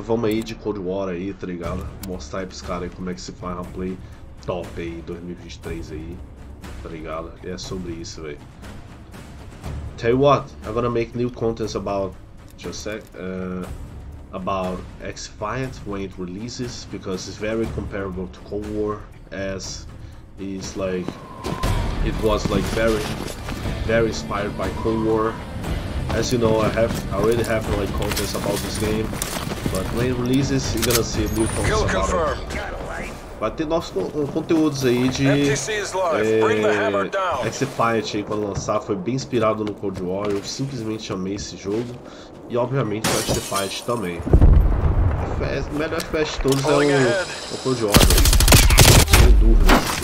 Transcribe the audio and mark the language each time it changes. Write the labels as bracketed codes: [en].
[pt] Vamos aí de Cold War aí, tá ligado? Mostrar aí pros caras aí como é que se faz uma play top aí 2023 aí, tá ligado? E é sobre isso, velho. [en] Tell you what, I'm gonna make new contents about. Just a sec. About X-Fiat when it releases, because it's very comparable to Cold War, as it's like. It was like very inspired by Cold War. As you know, I already have like contents about this game. But when it releases, you're gonna see new contents about it. [pt] Vai ter novos conteúdos aí de X-Fiat aí quando lançar. Foi bem inspirado no Cold War. Eu simplesmente amei esse jogo. E obviamente o X-Fiat também. O melhor FPS de todos é o Cold War. Sem dúvida.